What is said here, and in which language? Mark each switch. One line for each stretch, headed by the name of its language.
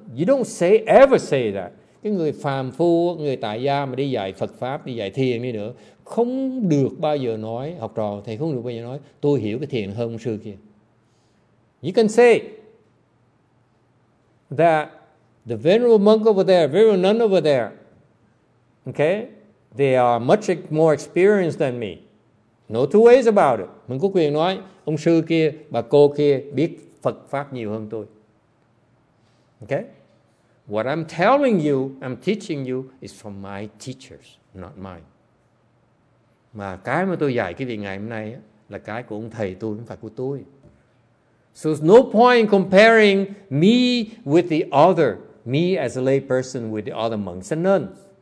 English: You don't say, ever say that.
Vietnamese: Cái người phàm phu, người tại gia mà đi dạy Phật Pháp, đi dạy thiền đi nữa, không được bao giờ nói, học trò thầy không được bao giờ nói, tôi hiểu cái thiền hơn ông sư kia.
English: You can say that the venerable monk over there, venerable nun over there, okay, they are much more experienced than me. No two ways about it.
Vietnamese: Mình có quyền nói, ông sư kia, bà cô kia biết Phật Pháp nhiều hơn tôi.
English: Okay? What I'm telling you, I'm teaching you, is from my teachers, not mine.
Vietnamese: Mà cái mà tôi dạy cái vị ngày hôm nay là cái của ông thầy tôi, không phải của tôi.
English: So there's no point comparing me with the other, me as a lay person with the other monks and nuns.